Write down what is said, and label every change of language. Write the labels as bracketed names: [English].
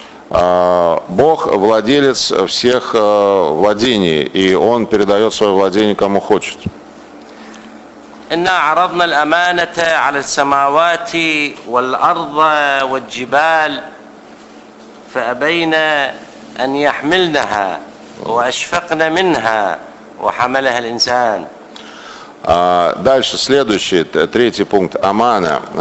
[Russian] Бог владелец всех владений, и Он передает свое владение кому хочет. [Arabic] إنا عرضنا الأمانة على السماوات والأرض والجبال فأبين أن يحملنها وأشفقن منها وحملها الإنسان. [Russian] Дальше следующий третий пункт амана.